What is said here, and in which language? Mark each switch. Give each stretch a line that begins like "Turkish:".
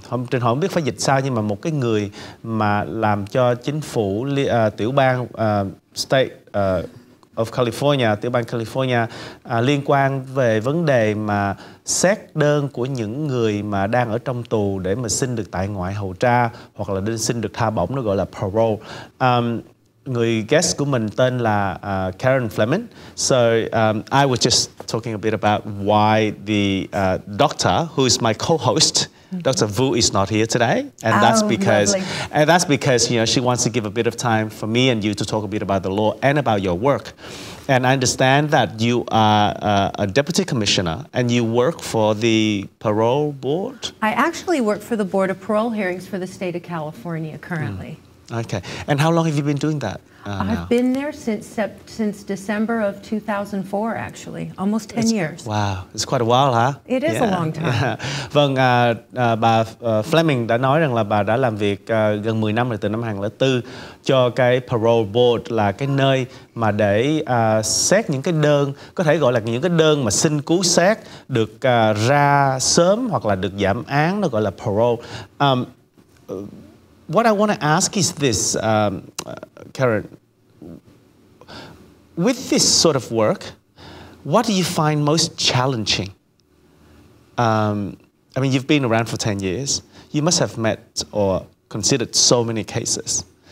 Vietnamese: Trịnh Hội không biết phải dịch sao, nhưng mà một cái người mà làm cho chính phủ tiểu bang State of California, tiểu bang California liên quan về vấn đề mà xét đơn của những người mà đang ở trong tù để mà xin được tại ngoại hầu tra hoặc là xin được tha bổng, nó gọi là parole. Người guest của mình tên là Karen Fleming.
English: So I was just talking a bit about why the doctor, who is my co-host, Dr. Vu, is not here today, and that's because you know, she wants to give a bit of time for me and you to talk a bit about the law and about your work. And I understand that you are a deputy commissioner and you work for the parole board. I actually work for the board of parole hearings for the state of California currently. Mm. Okay. And how long have you been doing that? I've been there since December of 2004, actually. Almost 10 years. Wow. It's quite a while, huh? It is a long time.
Vietnamese: Vâng, bà Fleming đã nói rằng là bà đã làm việc gần 10 năm rồi, từ năm 2004, cho cái parole board, là cái nơi mà để xét những cái đơn, có thể gọi là những cái đơn mà xin cứu xét được ra sớm hoặc là được giảm án, nó gọi là parole.
English: What I want to ask is this, Karen, with this sort of work, what do you find most challenging? I mean, you've been around for 10 years. You must have met or considered so many cases.